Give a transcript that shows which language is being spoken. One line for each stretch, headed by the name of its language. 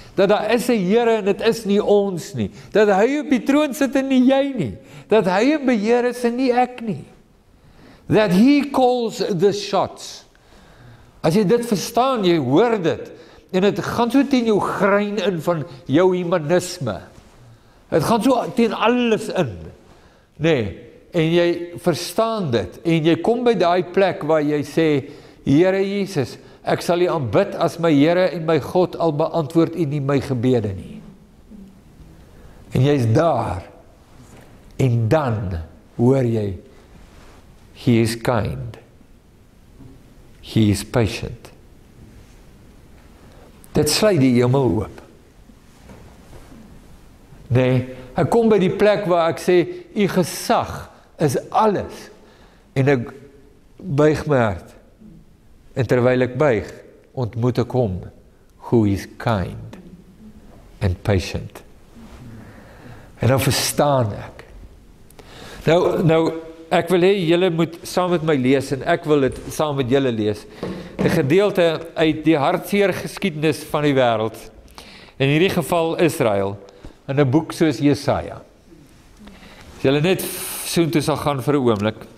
Afrikaans: Dat daar is 'n Here en het is nie ons nie. Dat hy op die troon sit en nie jy nie. Dat hy in beheer is en nie ek nie.
English: That he calls the shots.
Afrikaans: As jy dit verstaan, jy hoor dit en het gaan so teen jou grein in van jou humanisme. Het gaan so teen alles in. Nee, en jy verstaan dit, en jy kom by die plek waar jy sê, Here Jesus, ek sal u aanbid as my Here en my God, al beantwoord u nie my gebede nie. En jy is daar, en dan hoor jy,
English: he is kind, he is patient.
Afrikaans: Dit sluit die hemel oop. Nee, ek kom by die plek waar ek sê, u gesag is alles. En ek buig my hart. En terwyl ek buig, ontmoet ek hom,
English: who is kind and patient.
Afrikaans: En nou verstaan ek. Nou ek wil hê julle moet saam met my lees en ek wil dit saam met julle lees. 'N Gedeelte uit die hartseer geskiedenis van die wêreld. In hierdie geval Israel in 'n boek soos Jesaja. As julle net soontoe sal gaan vir 'n oomblik.